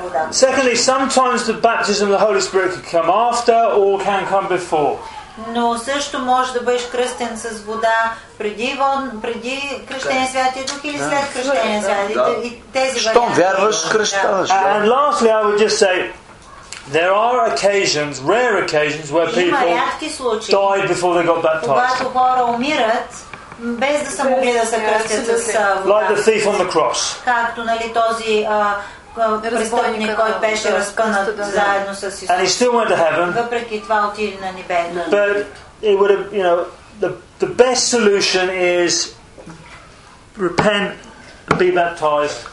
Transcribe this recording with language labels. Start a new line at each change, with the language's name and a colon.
English: Secondly, sometimes the baptism of the Holy Spirit can come after or can come before.
Bulgarian: Но също може да бъдеш кръстен с вода преди кръщение Святия Дух или след кръщение Святия Дух. Щом вярваш, кръщаваш.
English: And lastly, I would just say, there are occasions, rare occasions, where people died before they got baptized.
Bulgarian: Когато хора умират, без да са могли да се кръстят с вода.
English: Like the thief on the cross.
Bulgarian: Както, нали, този престъпник, който беше разпънат заедно с Исус.
English: And he still went to heaven.
Bulgarian: Въпреки това отиде на небето.
English: But it would have, you know, the best solution is repent and be baptized.